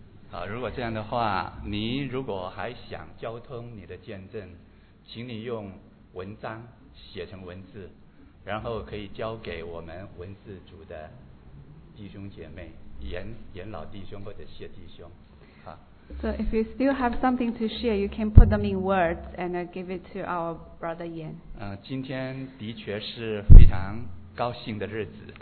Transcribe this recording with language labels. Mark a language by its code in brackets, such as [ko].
[zh] 好，如果这样的话，你如果还想交通你的见证，请你用文章写成文字，然后可以交给我们文字组的弟兄姐妹，严老弟兄或者谢弟兄。 [en] So if you still have something to share, you can put them in words and give it to our brother Yan. [zh] 今天的确是非常高兴的日子。